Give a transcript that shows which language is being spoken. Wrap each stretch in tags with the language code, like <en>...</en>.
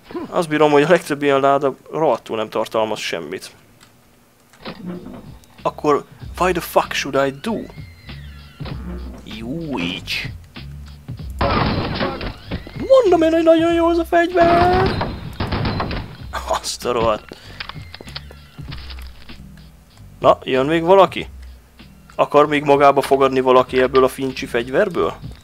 <hu>Azt bírom, hogy a legtöbb ilyen láda rohadtul nem tartalmaz semmit.</hu> <en>Akkor, why the fuck should I do? Júj!</en> <hu>Mondom én, hogy nagyon jó ez a fegyver! Azt a rohadt. Na, jön még valaki? Akar még magába fogadni valaki ebből a Finchi fegyverből?</hu>